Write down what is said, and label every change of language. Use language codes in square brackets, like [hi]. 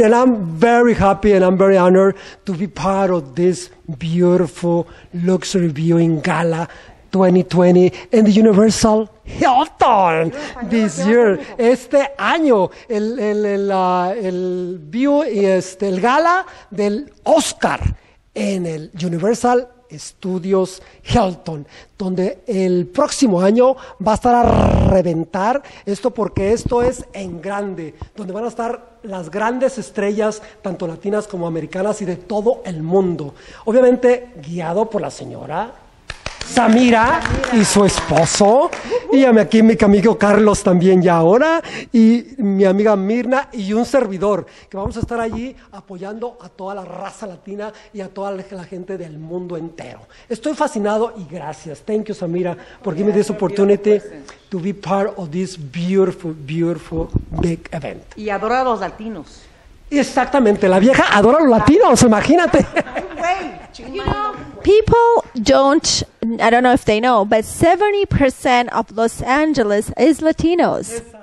[en] And I'm very happy and I'm very honored to be part of this beautiful luxury viewing gala 2020 in the Universal Hilton this year. [es] Este año, el view y el gala del Oscar en el Universal Studios Hilton, donde el próximo año va a estar a reventar esto, porque esto es en grande, donde van a estar las grandes estrellas, tanto latinas como americanas y de todo el mundo. Obviamente, guiado por la señora Samira y su esposo, y aquí mi amigo Carlos también ya ahora, y mi amiga Mirna y un servidor, que vamos a estar allí apoyando a toda la raza latina y a toda la gente del mundo entero. Estoy fascinado y gracias. [en] Thank you, Samira, for giving me this opportunity to be part of this beautiful, beautiful big event. [es] Y adoro a los latinos. Exactamente, la vieja adora a los latinos, imagínate. [en] You know, people don't, I don't know if they know, but 70% of Los Angeles is Latinos.